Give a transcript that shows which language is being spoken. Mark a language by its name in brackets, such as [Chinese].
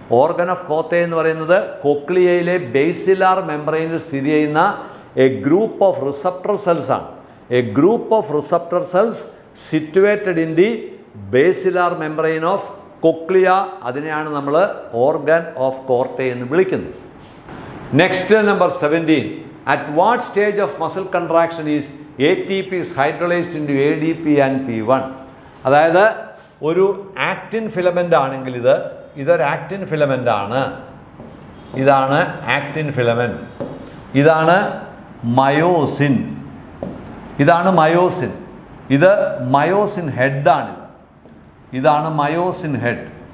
[Malayalam] Organ of കോർട്ടെ എന്ന് പറയുന്നത് കോക്ലിയയിലെ basilar മെംബ്രെയിനിൽ സ്ഥിതി ചെയ്യുന്ന A group of receptor സെൽസാണ്. [English] a group of receptor cells situated in the basilar membrane of cochlea, [Malayalam] അതിനെയാണ് നമ്മൾ ഓർഗൻ ഓഫ് കോർട്ടെ എന്ന് വിളിക്കുന്നത്. [English] Next number 17. At what stage of muscle contraction is ATP hydrolyzed into ADP and P1? [Malayalam] അതായത് ഒരു actin filament ആണെങ്കിൽ ഇത് ഇതൊരു actin filament ആണ്. ഇതാണ് ആക്ടിൻ ഫിലമെൻ്റ്, ഇതാണ് മയോസിൻ, ഇതാണ് മയോസിൻ, ഇത് മയോസിൻ ഹെഡാണ്, ഇതാണ് മയോസിൻ ഹെഡ്.